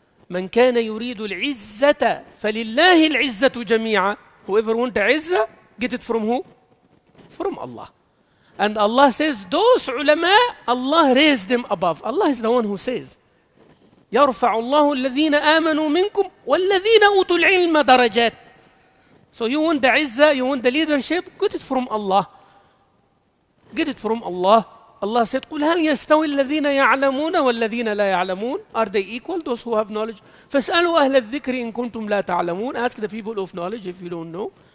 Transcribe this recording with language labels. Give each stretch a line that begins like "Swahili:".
Arabic: من كان يريد العزة فلله العزة جميعا.
English: Whoever want the عزة, get it from who? From Allah. And Allah says, those ulama, Allah raised them above. Allah is the one who says,
Arabic: يرفع الله الذين آمنوا منكم والذين أوتوا العلم درجات.
English: So you want the عزة, you want the leadership, get it from Allah. Get it from Allah. Allah said,
Arabic: قُلْ هَلْ يَسْتَوِي الَّذِينَ يَعْلَمُونَ وَالَّذِينَ لَا يَعْلَمُونَ
English: Are they equal, those who have knowledge?
Arabic: فَاسْأَلُوا أَهْلَ الذِّكْرِ إِن كُنْتُمْ لَا تَعْلَمُونَ
English: Ask the people of knowledge if you don't know.